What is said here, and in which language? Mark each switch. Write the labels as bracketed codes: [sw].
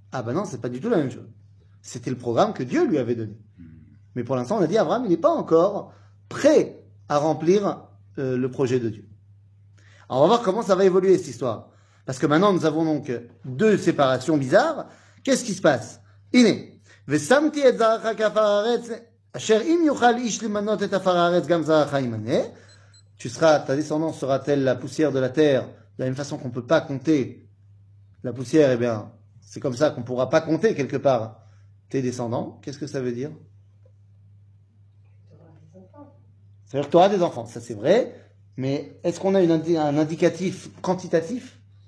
[fr] Ah ben non, c'est pas du tout la même chose. C'était le programme que Dieu lui avait donné. Mais pour l'instant, on a dit Abraham, il n'est pas encore prêt à remplir le projet de Dieu. Alors, on va voir comment ça va évoluer, cette histoire. Parce que maintenant, nous avons donc deux séparations bizarres. Qu'est-ce qui se passe ? [he] הנה, ושמתי את זרחה כאפר הארץ, אשר אם יוכל איש למנות את אפר הארץ, גם זרחה ימנה. [fr] Tu seras, ta descendance sera-t-elle la poussière de la terre, de la même façon qu'on ne peut pas compter la poussière, eh bien, c'est comme ça qu'on ne pourra pas compter quelque part tes descendants. Qu'est-ce que ça veut dire ? Tu auras des enfants. C'est-à-dire que tu auras des enfants, ça c'est vrai, Mais est-ce qu'on a un indicatif quantitatif?